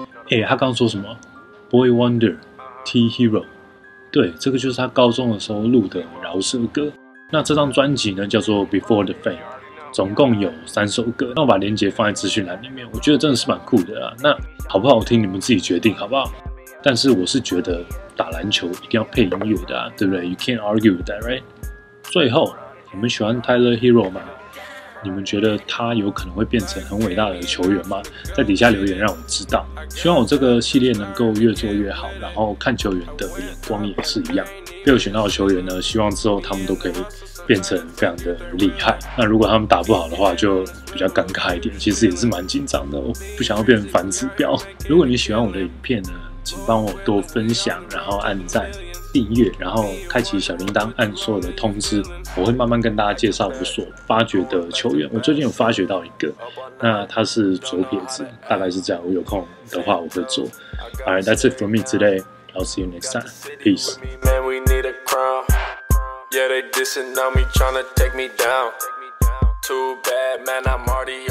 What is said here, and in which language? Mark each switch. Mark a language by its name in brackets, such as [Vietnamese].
[Chinese] 哎，他刚说什么 ？Boy Wonder, T Hero, 对，这个就是他高中的时候录的饶舌歌。那这张专辑呢叫做 Before the Fame， 总共有三首歌，那我把连结放在资讯栏里面，我觉得真的是蛮酷的啦。那好不好听你们自己决定好不好，但是我是觉得打篮球一定要配音乐的啊，对不对？ [English] You can't argue with that, right? [Chinese] 最后，你们喜欢 Tyler Hero 吗？你们觉得他有可能会变成很伟大的球员吗？在底下留言让我知道。希望我这个系列能够越做越好，然后看球员的眼光也是一样。被我选到的球员呢，希望之后他们都可以变成非常的厉害。那如果他们打不好的话，就比较尴尬一点。其实也是蛮紧张的，我不想要变成反指标。如果你喜欢我的影片呢，请帮我多分享，然后按赞、订阅，然后开启小铃铛，按所有的通知。我会慢慢跟大家介绍我所发掘的球员。我最近有发掘到一个，那他是左撇子，大概是这样。我有空的话我会做。 [English] All right, that's it for me today. I'll see you next time. Peace. Man, we need a crown. Yeah, they dissing on me, trying to take me down. Too bad, man, I'm already